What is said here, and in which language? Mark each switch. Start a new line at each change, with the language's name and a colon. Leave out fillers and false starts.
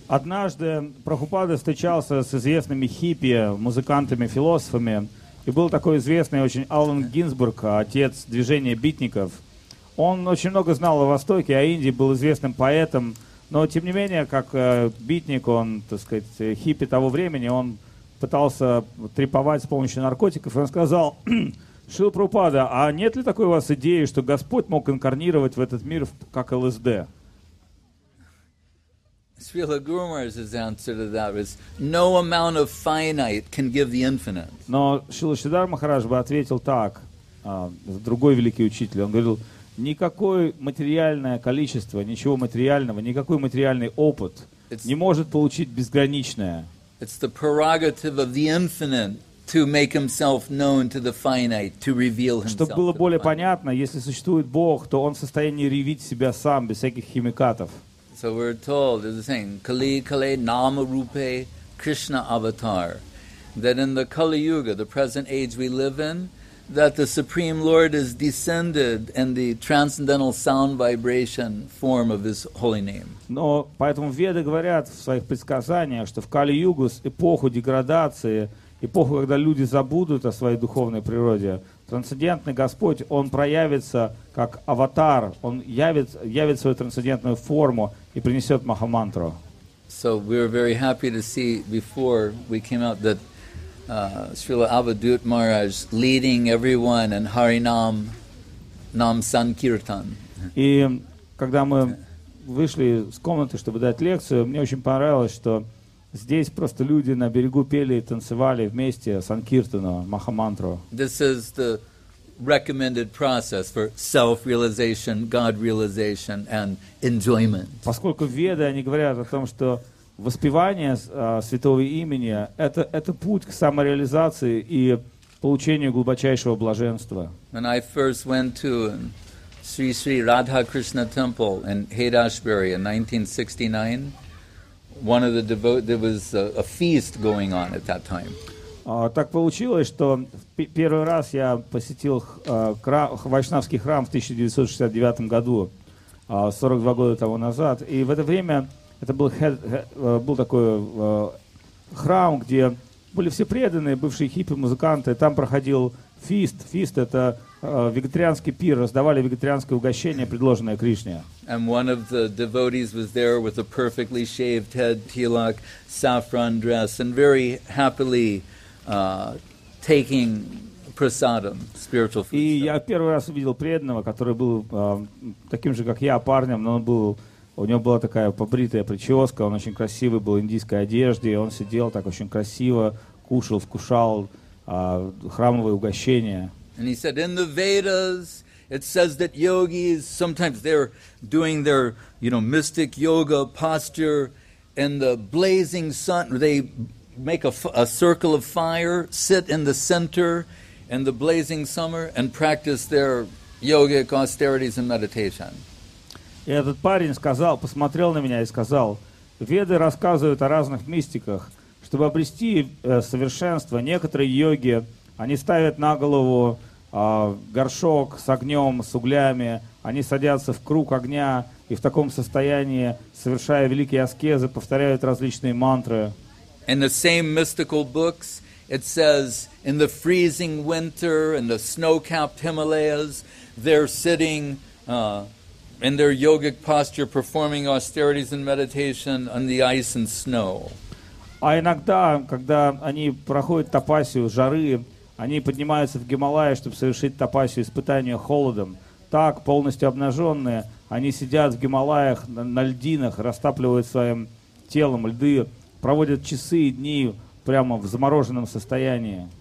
Russian: Однажды Прабхупада встречался с известными хиппи, музыкантами, философами, и был такой известный очень Аллен Гинзбург, отец движения битников. Он очень много знал о Востоке, о Индии, был известным поэтом, но тем не менее, как битник, он, так сказать, хиппи того времени, он пытался треповать с помощью наркотиков, и он сказал... Шрила Прабхупада, а нет ли такой у вас идеи, что Господь мог инкарнировать в этот мир как ЛСД?
English: Шрила Гуру Махараджа's answer to that was, no amount of finite can give the infinite.
Russian: Но Шрила Шридхар Махарадж бы ответил так, другой великий учитель, он говорил, никакое материальное количество, ничего материального, никакой материальный опыт не может получить безграничное.
English: It's the prerogative of the infinite to make himself known to the finite, to reveal himself.
Russian: Чтобы было более понятно, если существует Бог, то он в состоянии явить себя сам без всяких химикатов.
English: So we're told, as I'm saying,
Sanskrit: Kali Kale Nama Rupe Krishna Avatar,
English: that in the Kali Yuga, the present age we live in, that the Supreme Lord is descended in the transcendental sound vibration form of His holy name.
Russian: Но поэтому веды говорят в своих предсказаниях, что в Кали Югу с эпоху деградации эпоху, когда люди забудут о своей духовной природе, трансцендентный Господь, Он проявится как аватар, Он явит свою трансцендентную форму и принесет Махамантру.
English: So we were very happy to see before we came out that Srila Avadhut Maharaj leading everyone in Harinam Nam Sankirtan.
Russian: И когда мы вышли с комнаты, чтобы дать лекцию, мне очень понравилось, что здесь просто люди на берегу пели и танцевали вместе санкиртану, махамантру.
English: This is the recommended process for self-realization, God-realization, and enjoyment.
Russian: Поскольку веды, они говорят о том, что воспевание святого имени это путь к самореализации и получению глубочайшего блаженства.
English: When I first went to Sri Sri Radha Krishna Temple in Haydashbury in 1969, one of the devotees, there was a feast going on at that time.
Russian: Так получилось, что первый раз я посетил Вайшнавский храм в 1969 году, 42 года тому назад. И в это время это был такой храм, где были все преданные, бывшие хиппи, музыканты. Там проходил фист. Фист — это вегетарианский пир. Раздавали вегетарианское угощение, предложенное Кришне.
English: And one of the devotees was there with a perfectly shaved head, tilak, saffron dress, and very happily taking prasadam, spiritual food.
Russian: И я первый раз увидел преданного, который был таким же, как я, парнем, но он был, у него была такая побритая прическа, он очень красивый был в индийской одежде, и он сидел так очень красиво, кушал, вкушал храмовые угощения.
English: And he said, in the Vedas, it says that yogis, sometimes they're doing their, you know, mystic yoga posture in the blazing sun. They make a circle of fire, sit in the center in the blazing summer and practice their yogic austerities and meditation.
Russian: И этот парень сказал, посмотрел на меня и сказал, веды рассказывают о разных мистиках. чтобы обрести совершенство, некоторые йоги, они ставят на голову горшок с огнем, с углями, они садятся в круг огня и в таком состоянии, совершая великие аскезы, повторяют различные мантры.
English: In the same mystical books, it says, in the freezing winter and the snow-capped Himalayas, they're sitting in their yogic posture, performing austerities and meditation on the ice and snow.
Russian: А иногда, когда они проходят тапасию жары, они поднимаются в Гималаи, чтобы совершить тапасию испытания холодом. Так, полностью обнаженные, они сидят в Гималаях на льдинах, растапливают своим телом льды, проводят часы и дни прямо в замороженном состоянии.